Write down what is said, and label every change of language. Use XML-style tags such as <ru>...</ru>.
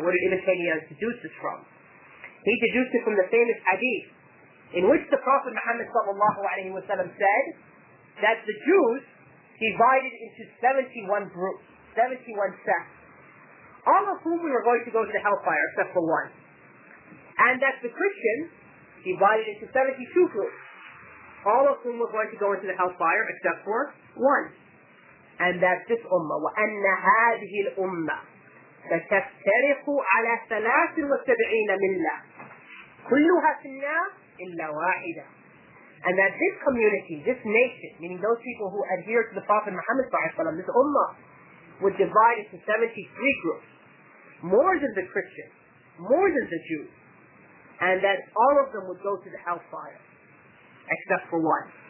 <en>Where did Ibn Taymiyyah deduce this from? He deduced it from the famous hadith in which the Prophet Muhammad sallallahu alayhi wa sallam said that the Jews divided into 71 groups, 71 sects, all of whom were going to go to the hellfire except for one. And that the Christians divided into 72 groups, all of whom were going to go into the hellfire except for one. And that this ummah,</en> <ar>وَأَنَّ هَذِهِ الْأُمَّةِ فَتَفْتَرِقُ عَلَىٰ ثَلَاثٍ وَسَبْعِينَ مِلَّةٍ كُلُّهَا فِي النَّارِ إِلَّا وَاحِدَةٍ.</ar> <en>And that this community, this nation, meaning those people who adhere to the Prophet Muhammad sallallahu alayhi wa sallam, this ummah, would divide into 73 groups, more than the Christians, more than the Jews, and that all of them would go to the hellfire, except for one.</en>